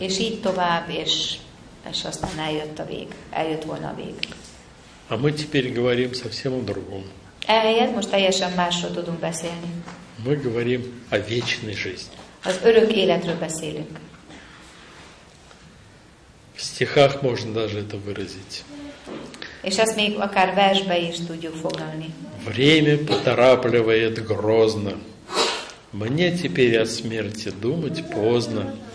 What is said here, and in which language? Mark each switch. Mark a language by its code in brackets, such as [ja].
[hu] És így tovább, és aztán eljött a vég. Eljött volna a vég. [ru] А мы теперь говорим совсем о другом. [hu] Ehelyett most teljesen másról tudunk beszélni. [ru] Мы говорим о вечной жизни. [hu] Az örök életről beszélünk. [ru] В стихах можно даже это выразить. [hu] És ezt még akár versbe is tudjuk foglalni. [ru] Время поторапливает грозно. Мне теперь о смерти думать поздно.